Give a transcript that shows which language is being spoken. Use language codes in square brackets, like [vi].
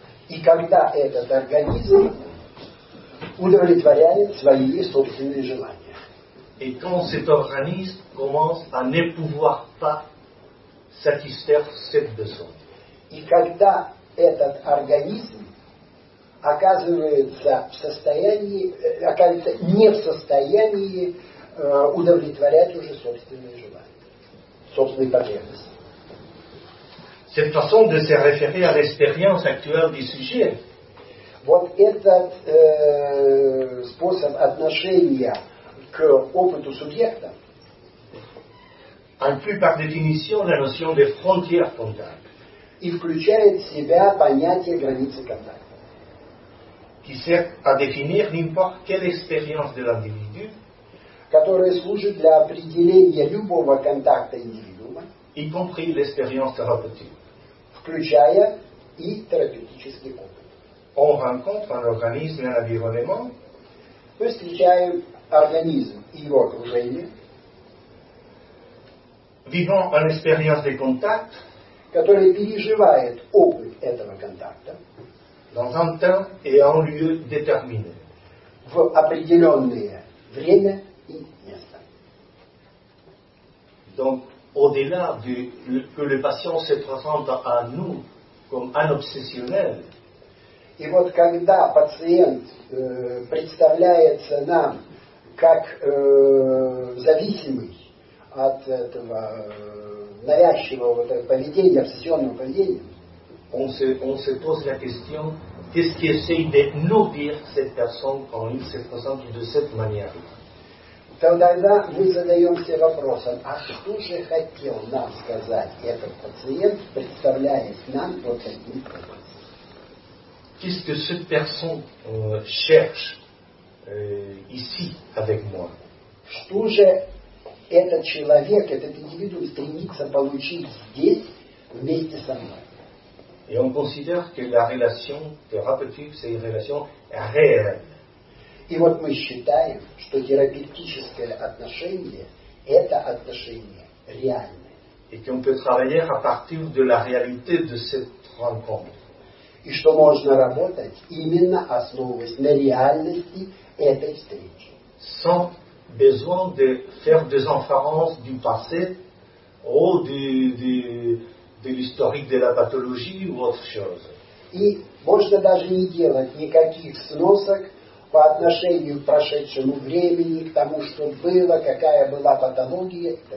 [ru] И когда этот организм удовлетворяет свои собственные желания? [fr] Et quand cet organisme commence à ne pouvoir pas satisfaire ses besoins? [ru] И когда этот организм оказывается в состоянии, оказывается не в состоянии удовлетворять уже собственные желания, собственные потребности? [fr] Cette façon de se référer à l'expérience actuelle du sujet. [ru] Вот этот способ отношения к опыту субъекта. [fr] Inclut par définition la notion de frontière contact. [ru] И включает в себя понятие границы контакта. [fr] Qui sert à définir n'importe quelle expérience de l'individu. [ru] Которая служит для определения любого контакта индивидуума. [fr] Y compris l'expérience thérapeutique. [ru] Включая и терапевтический опыт. [fr] On rencontre un organisme et un environnement. [ru] Мы встречаем организм и его окружение. [fr] Vivant une expérience de contact. [ru] Который переживает опыт этого контакта. [fr] Dans un temps et un lieu déterminé. [ru] В определенное время и место. [fr] Donc, au-delà du que le patient se présente à nous comme un obsessionnel. [ru] И вот когда пациент представляется нам как зависимый от этого навязчивого вот этого поведения, обсессионного поведения, [fr] on se pose la question, qu'est-ce qui essaie de nous dire cette personne quand il se présente de cette manière? [ru] Тогда мы задаемся вопросом, а что же хотел нам сказать этот пациент, представляясь нам вот таким образом? [fr] Qu'est-ce que cette personne cherche ici avec moi? [ru] Что же этот человек, этот индивидуум стремится получить здесь вместе со мной? [fr] Et on considère que la relation thérapeutique, c'est une relation réelle. [ru] И вот мы считаем, что терапевтическое отношение – это отношение реальное. [fr] Et qu'on peut travailler à partir de la réalité de cette rencontre. [ru] И что можно работать именно основываясь на реальности этой встречи. [fr] Sans besoin de faire des inférences du passé ou de l'historique de la pathologie ou autre chose. [ru] И можно даже не делать никаких сносок по отношению к прошедшему времени, к тому, что было, какая была патология.